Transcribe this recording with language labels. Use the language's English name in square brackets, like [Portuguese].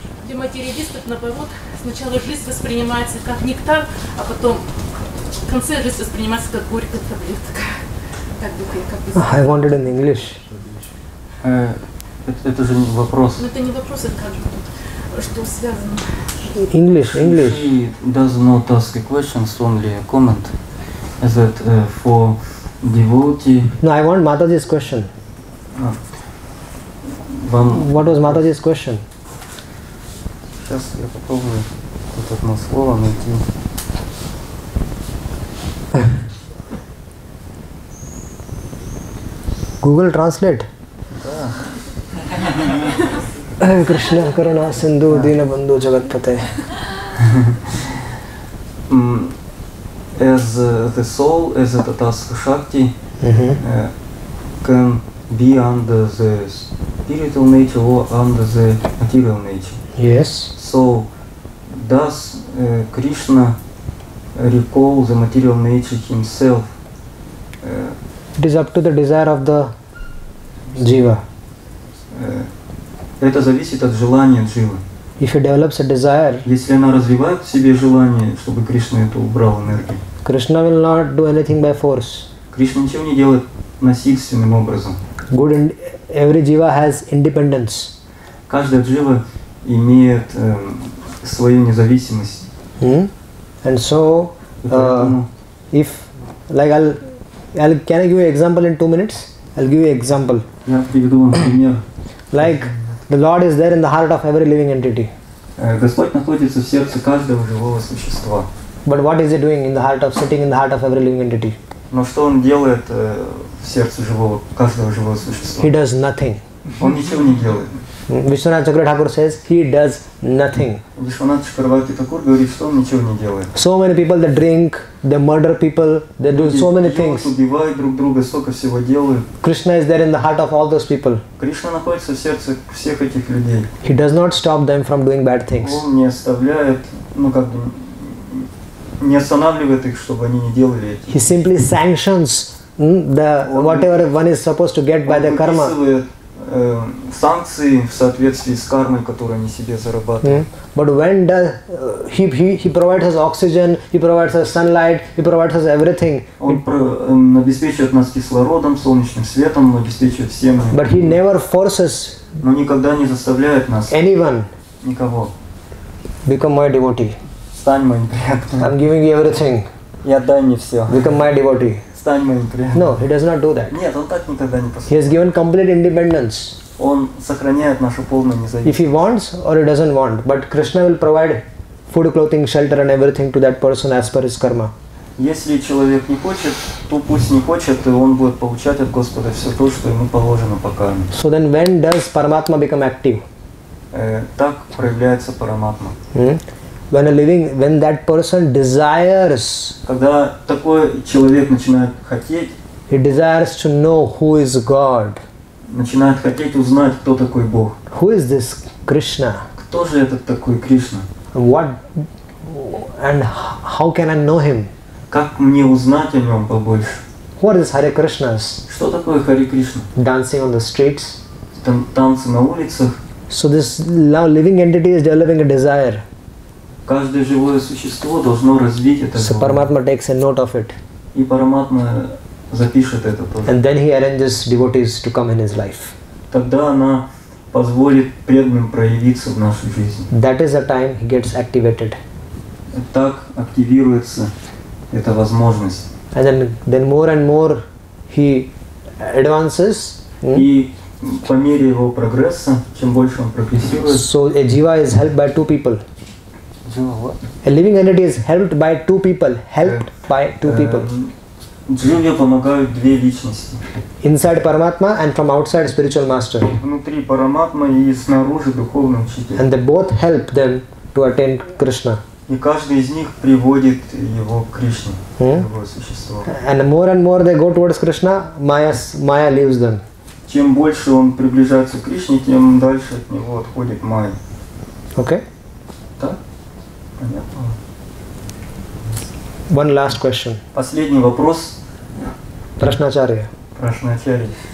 [Russian] Для материалистов, наоборот, сначала жизнь воспринимается как нектар, а потом в конце жизнь воспринимается как горькая таблетка. [English] I wanted in English. [Russian] Это же не вопрос. Но это не вопрос, это как бы тут. Что связано? [English] English. He does not ask a question, only a comment. Is that for devotee? No, I want Mataji's question. What was Mataji's question? [Russian] Сейчас я попробую вот одно слово найти. [English] Google Translate. [Russian] Да. [Sanskrit] Krishna Karuna Sindhu Dina Bandhu Jagatpate. [English] As the soul, as the Tattva Shakti, can be under the spiritual nature or under the material nature. Yes. So, does Krishna recall the material nature himself? It is up to the desire of the jiva. [Russian] Это зависит от желания дживы. [English] If he develops a desire, [Russian] если она развивает в себе желание, чтобы Кришна это убрал энергию. [English] Krishna will not do anything by force. [Russian] Кришна ничего не делает насильственным образом. [English] Good and every jiva has independence. [Russian] Каждая джива имеет свою независимость. [English] And so, if like I'll can I give you an example in 2 minutes? I'll give you an example. [Russian] Я приведу вам пример. [English] Like the Lord is there in the heart of every living entity. [Russian] Господь находится в сердце каждого живого существа. [English] But what is he doing in the heart of sitting in the heart of every living entity? [Russian] Но что он делает в сердце живого каждого живого существа? [English] He does nothing. [Russian] Он ничего не делает. [English] Vishwanath Chakravarti Thakur says he does nothing. [Russian] Vishwanath Chakravarti Thakur говорит, что он ничего не делает. [English] So many people they drink, they murder people, they do so many things. [Russian] Убивают друг друга, столько всего делают. [English] Krishna is there in the heart of all those people. [Russian] Кришна находится в сердце всех этих людей. [English] He does not stop them from doing bad things. [Russian] Он не оставляет, ну как бы не останавливает их, чтобы они не делали это. [English] He simply sanctions the whatever one is supposed to get by the karma. [Russian] Санкции в соответствии с кармой, которую они себе зарабатывают. [English] But when does he provides us oxygen, he provides us sunlight, he provides us everything. [Russian] Он обеспечивает нас кислородом, солнечным светом, он обеспечивает всем. [English] But he never forces. [Russian] Но никогда не заставляет нас. [English] Anyone. [Russian] Никого. [English] Become my devotee. [Russian] Стань моим преданным. [English] I'm giving you everything. [Russian] Я отдаю мне все. [English] Become my devotee. [Russian] Стань моим преданным. [English] No, he does not do that. [Russian] Нет, он так никогда не поступает. [English] He has given complete independence. [Russian] Он сохраняет нашу полную независимость. [English] If he wants or he doesn't want, but Krishna will provide food, clothing, shelter and everything to that person as per his karma. [Russian] Если человек не хочет, то пусть не хочет, и он будет получать от Господа все то, что ему положено по карме. [English] So then when does Paramatma become active? [Russian] Так проявляется Paramatma. [English] When a living, when that person desires, [Russian] когда такой человек начинает хотеть, [English] he desires to know who is God. [Russian] Начинает хотеть узнать, кто такой Бог. [English] Who is this Krishna? [Russian] Кто же этот такой Кришна? [English] What and how can I know him? [Russian] Как мне узнать о нем побольше? [English] Who are these Hare Krishnas? [Russian] Что такое Hare Krishna? [English] Dancing on the streets. [Russian] Танцы на улицах. [English] So this living entity is developing a desire. [Russian] Каждое живое существо должно развить это. [English] So Paramatma takes a note of it. [Russian] И Paramatma запишет это тоже. [English] And then he arranges devotees to come in his life. [Russian] Тогда она позволит преданным проявиться в нашу жизнь. [English] That is the time he gets activated. [Russian] Так активируется эта возможность. [English] And then more and more he advances. [Russian] И по мере его прогресса, чем больше он прогрессирует. [English] So a jiva is helped by two people. [Russian] Джива, [English] what? A living entity is helped by two people. Helped by two people. [Russian] Дживе помогают две личности. [English] Inside Paramatma and from outside spiritual master. [Russian] Внутри Paramatma и снаружи духовный учитель. [English] And they both help them to attain Krishna. [Russian] И каждый из них приводит его к Кришне, его существо. [English] And more they go towards Krishna, Maya leaves them. [Russian] Чем больше он приближается к Кришне, тем дальше от него отходит Майя. [English] Okay. [Russian] Так? [English] One last question. [Russian] Последний вопрос. Прашначарья. Прашначарья.